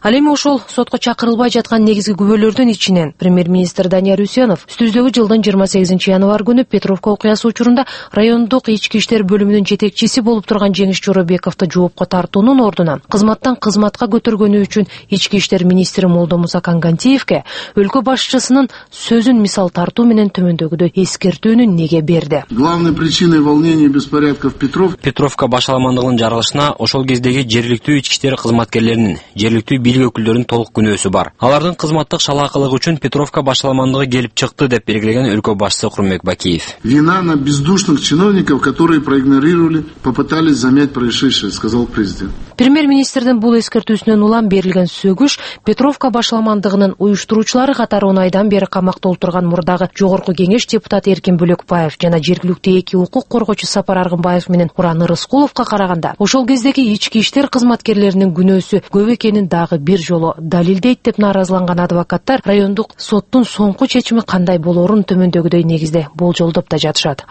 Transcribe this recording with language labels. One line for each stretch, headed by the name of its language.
Kyrgyz: Ал эми ошол сотко чакырылбай жаткан негизги күбөлөрдүн ичинен премьер-министр Данияр Үсөнов үстүздөгү жылдын 28-январ күнү Петровка окуясы учурунда райондук ички иштер бөлүмүнүн жетекчиси болуп турган Жеңиш Жоробековду жоопко тартуунун ордуна кызматтан кызматка көтөргөнү үчүн ички иштер министри Молдомуса Кангантиевке өлкө башчысынын сөзүн мисал тартуу менен төмөндөгүдөй эскертүүнүн неге берди.
Russian: Главной причиной волнений и беспорядков Петровка
Kyrgyz: баш аламандыгынын жарылышына ошол кездеги жергиликтүү ички иштер кызматкерлеринин, жергиликтүү бийлик өкүлдөрүнүн толук күнөөсү бар. Алардын кызматтык шалаакылыгы үчүн Петровка баш аламандыгы келип чыкты деп белгилеген өлкө башчысы Курмек Бакиев.
Russian: Вина на бездушных чиновников, которые проигнорировали, попытались замять происшедшее, сказал президент.
Kyrgyz: Премьер-министрдин бул эскертүүсүнөн улам берилген сөгүш Петровка баш аламандыгынын уюштуруучулары катары 10 айдан бери камакта отурган мурдагы жогорку кеңеш депутаты Эркин Бөлөкбаев жана жергиликтүү эки укук коргоочу Сапар Аргынбаев менен Уран Рыскуловко караганда ошол кездеги ички иштер кызматкерлеринин күнөөсү көп экенин дагы бир жолу далилдейт деп нааразыланган адвокаттар райондук соттун соңку чечими кандай болорун төмөндөгүдөй негизде болжолдоп да жатышат.